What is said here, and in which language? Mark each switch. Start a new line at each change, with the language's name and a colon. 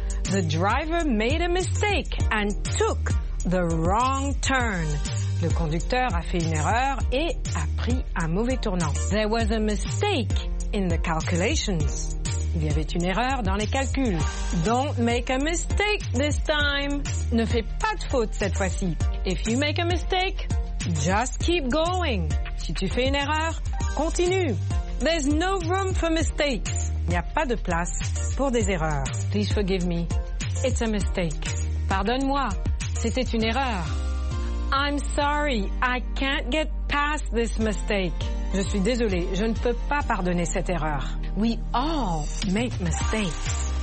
English: The driver made a mistake and took the wrong turn.
French: Le conducteur a fait une erreur et a pris un mauvais tournant.
English: There was a mistake in the calculations.
French: Il y avait une erreur dans les calculs.
English: Don't make a mistake this time.
French: Ne fais pas de faute cette fois-ci.
English: If you make a mistake, just keep going.
French: Si tu fais une erreur, continue.
English: There's no room for mistakes.
French: Il n'y a pas de place pour des erreurs.
English: Please forgive me. It's a mistake.
French: Pardonne-moi. C'était une erreur.
English: I'm sorry. I can't get past this mistake.
French: Je suis désolée. Je ne peux pas pardonner cette erreur.
English: We all make mistakes.